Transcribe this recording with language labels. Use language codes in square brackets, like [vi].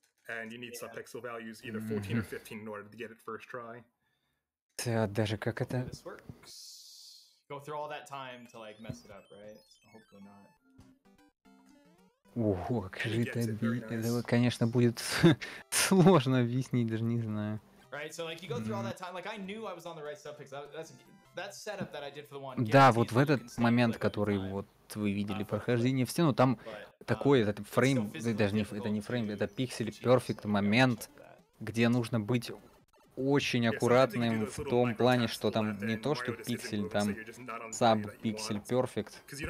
[en] And you need subpixel values either 14 or 15 in order to get it first try. [ru] Да, даже как это? [en] This works. Go through all that time to like mess it up, right? So hopefully not. [ru] Ого, крытая битва. Это вот, конечно, будет сложно объяснить, даже не знаю. [en] Right, so like you go through all that time, like I knew I was on the right subpixel. That's setup that I did for the one. [ru] Да, вот в этот момент, который вот вы видели прохождение в стену, там такой этот фрейм, даже не, это не фрейм, это пиксель перфект момент, где нужно быть очень аккуратным в том плане, что там не то, что пиксель, там саб пиксель перфект.